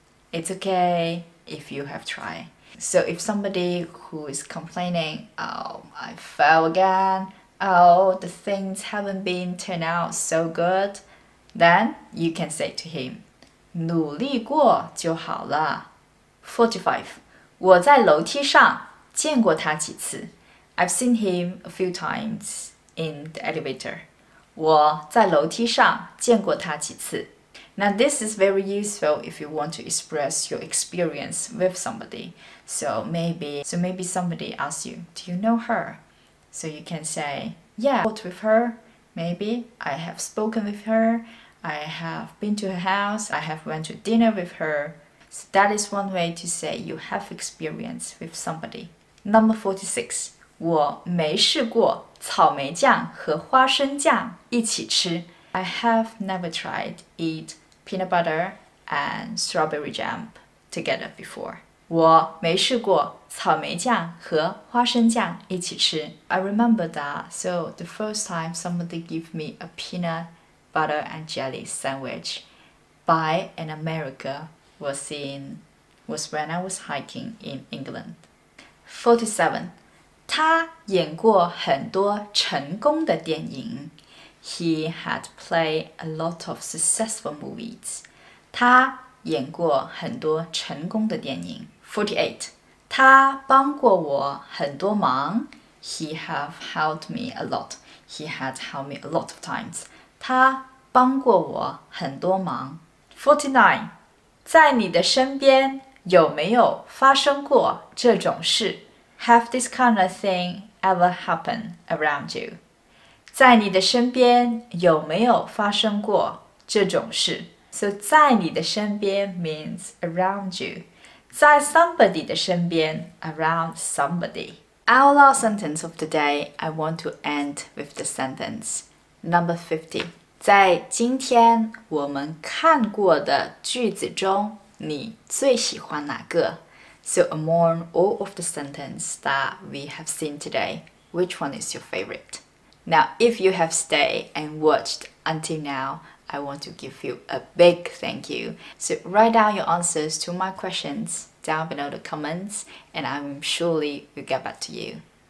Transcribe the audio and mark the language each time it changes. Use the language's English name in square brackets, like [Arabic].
[English] It's okay if you have tried. So if somebody who is complaining, oh, I fell again, oh, the things haven't been turned out so good, then you can say to him, [Chinese] 努力过就好了. 45. 我在楼梯上见过他几次. [English] I've seen him a few times in the elevator. [Chinese] 我在楼梯上见过他几次. [English] Now this is very useful if you want to express your experience with somebody. So maybe somebody asks you, do you know her? So you can say, yeah, I've talked with her. Maybe I have spoken with her. I have been to her house. I have went to dinner with her. So that is one way to say you have experience with somebody. Number 46. [Chinese] 我没试过草莓酱和花生酱一起吃。 [English] I have never tried eat peanut butter and strawberry jam together before. [Chinese] 我没试过草莓酱和花生酱一起吃。 [English] I remember that. So the first time somebody gave me a peanut butter and jelly sandwich by an American was when I was hiking in England. 47. [Chinese] 他演过很多成功的电影。 [English] He had played a lot of successful movies. [Chinese] 他演过很多成功的电影。 48. 他帮过我很多忙。 [English] He have helped me a lot. He had helped me a lot of times. [Chinese] 他帮过我很多忙。49. 在你的身边有没有发生过这种事？ [English] Have this kind of thing ever happened around you? [Chinese] 在你的身边有没有发生过这种事？ [English] So [Chinese] 在你的身边 [English] means around you. [Chinese] 在 [English] somebody [Chinese] 的身边 [English] around somebody. Our last sentence of the day, I want to end with the sentence. Number 50. [Chinese] 在今天我们看过的句子中，你最喜欢哪个？ [English] So among all of the sentences that we have seen today, which one is your favorite? Now, if you have stayed and watched until now, I want to give you a big thank you. So write down your answers to my questions down below the comments, and I will surely get back to you.